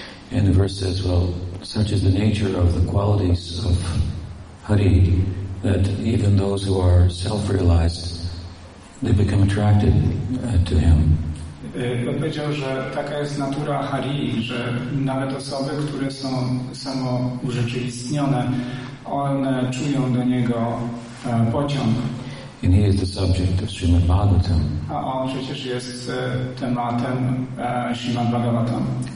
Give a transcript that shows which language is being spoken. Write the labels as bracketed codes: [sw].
[en] And the verse says, well, such is the nature of the qualities of Hari that even those who are self-realized, they become attracted to him. [pl] Odpowiedział, że taka jest natura Hari, że nawet osoby, które są samo urzeczywistnione, one czują do niego pociąg. [en] And he is the subject of Srimad Bhagavatam. [pl] A on przecież jest tematem Srimad Bhagavatam.